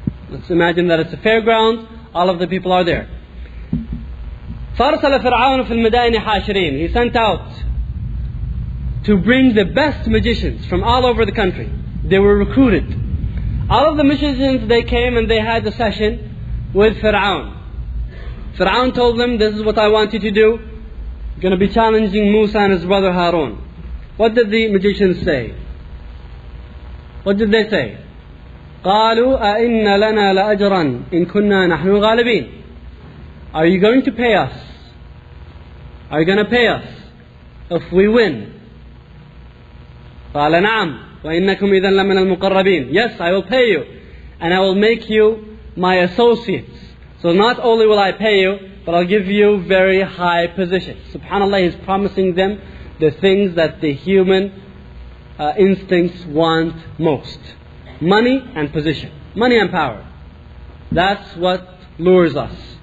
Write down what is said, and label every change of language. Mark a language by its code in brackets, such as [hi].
[en] Let's imagine that it's a fairground. All of the people are there. [ar] فَأَرْسَلَ فِرْعَوْنُ فِي الْمَدَائِنِ حَاشِرِينَ [en] He sent out to bring the best magicians from all over the country. They were recruited. All of the magicians, they came and they had a session with Fir'aun. Fir'aun told them, this is what I want you to do. You're going to be challenging Musa and his brother Harun. What did the magicians say? What did they say? [ar] قَالُوا أَإِنَّ لَنَا لَأَجْرًا إِن كُنَّا نَحْنُ غَالِبِينَ [en] Are you going to pay us? Are you going to pay us if we win? [ar] قَالَ نَعَمْ وَإِنَّكُمْ إِذًا لَمِنَ الْمُقَرَّبِينَ [en] Yes, I will pay you. And I will make you my associates. So not only will I pay you, but I'll give you very high positions. SubhanAllah, he's promising them the things that the human instincts want most. Money and position. Money and power. That's what lures us.